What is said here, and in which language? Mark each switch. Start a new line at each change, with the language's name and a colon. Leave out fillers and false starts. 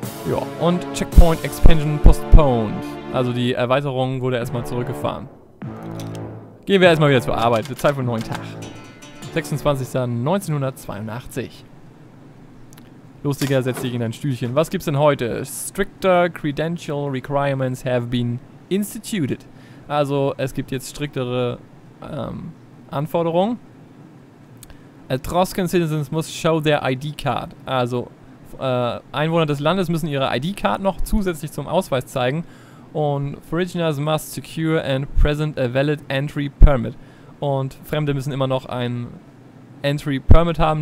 German: Ja, und
English: Checkpoint Expansion postponed.
German: Also die Erweiterung wurde erstmal zurückgefahren. Gehen wir erstmal wieder zur Arbeit. Zeit für einen neuen Tag. 26.1982. Lustiger, setz dich in dein Stühlchen. Was gibt's denn heute?
English: Stricter Credential Requirements have been instituted.
German: Also, es gibt jetzt striktere Anforderungen.
English: Etruscan citizens must show their ID card.
German: Also, Einwohner des Landes müssen ihre ID card noch zusätzlich zum Ausweis zeigen.
English: Und foreigners must secure and present a valid entry permit.
German: Und Fremde müssen immer noch ein Entry Permit haben.